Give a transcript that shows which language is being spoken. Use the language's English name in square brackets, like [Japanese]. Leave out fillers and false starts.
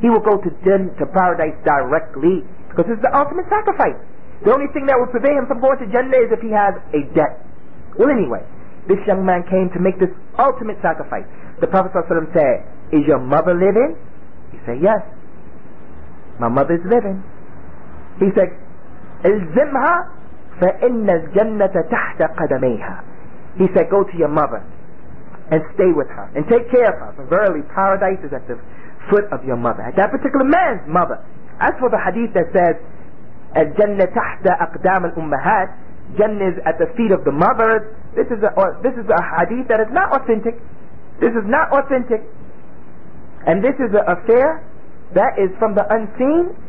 [English] He will go to paradise directly, because it's the ultimate sacrifice. The only thing that will prevent him from going to Jannah is if he has a debt. Well, anyway, this young man came to make this ultimate sacrifice. The Prophet ﷺ said, is your mother living? He said, yes, my mother is living. He said, [Arabic] الزمها فإن الجنة تحت قدميها. [English] He said, go to your mother and stay with her and take care of her. For verily, paradise is at the foot of your mother, at that particular man's mother. As for the hadith that says, [Arabic] "Al-Jannah tahta aqdam al-ummahat," [English] Jannah is at the feet of the mothers. This is a hadith that is not authentic. This is not authentic, and this is an affair that is from the unseen.